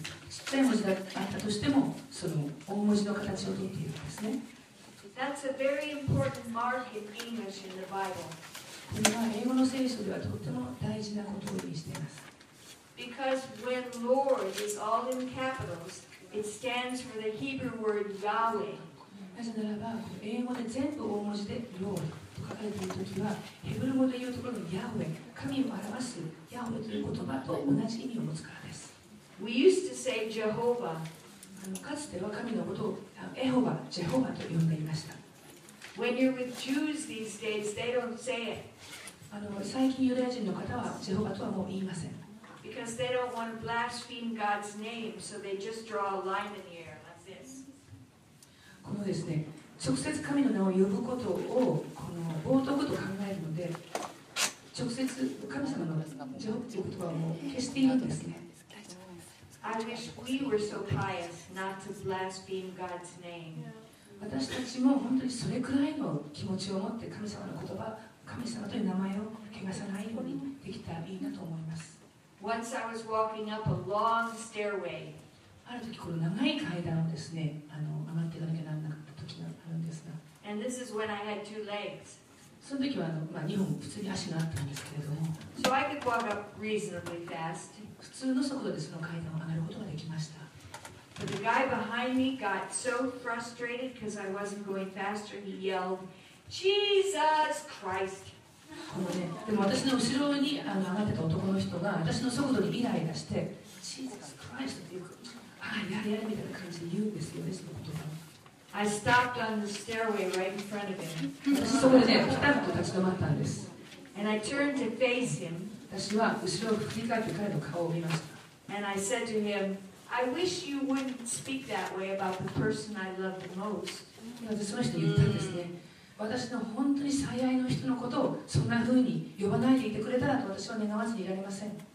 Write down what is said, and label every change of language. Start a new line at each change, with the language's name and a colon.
Japanese: 小さい文字があったとしてもその大文字の形をとっているんですね。
English: That's a very important mark in English in the Bible.
Japanese: これは英語の聖書ではとても大事なことを意味しています。
English: Because when Lord is all in capitals, it stands for the Hebrew word Yahweh.
Japanese: なぜならば英語で全部大文字で Lord と書かれているときはヘブル語で言うところの Yahweh 神を表す Yahweh という言葉と同じ意味を持つからです。
English: We used to say Jehovah.
Japanese: かつては神のことをエホバ、ジェホバと呼んでいました。
English: When you're with Jews these days, they don't say it.
Japanese: 最近ユダヤ人の方はジェホバとはもう言いません。
English: Because they don't want to blaspheme God's name, so they just draw a line in the air like this.
Japanese: このですね、直接神の名を呼ぶことをこの冒涜と考えるので直接神様の呼ぶという言葉を消しているんですね。
English: I wish we were so pious not to blaspheme God's name.
Japanese: 私たちも本当にそれくらいの気持ちを持って神様の言葉、神様という名前を汚さないようにできたらいいなと思います。
English: Once I was walking up a long stairway.
Japanese: ある時この長い階段をですね上がっていかなきゃならなかった時があるんですが、
English: And this is when I had two legs.
Japanese: その時は2本普通に足があったんですけれども、
English: so、I could walk up reasonably fast.
Japanese: 普通の速度でその階段を上がることができました。
English: The guy behind me got so frustrated because I wasn't going faster. He yelled, Jesus Christ.
Japanese: この、ね、でも私の後ろに上がってた男の人が私の速度にイライラして Jesus Christ って言うやれみたいな感じで言うんですよね、その言葉。
English: I stopped on the stairway right in front of him.
Japanese: そこでね、ピタッと立ち止まったんです。
English: And I turned to face him.
Japanese: 私は後ろを振り返って彼の顔を見ました。
English: And I said to him, I wish you wouldn't speak that way about the person I love the most.
Japanese: その人に言ったんですね。私の本当に最愛の人のことをそんな風に呼ばないでいてくれたらと私は願わずにいられません。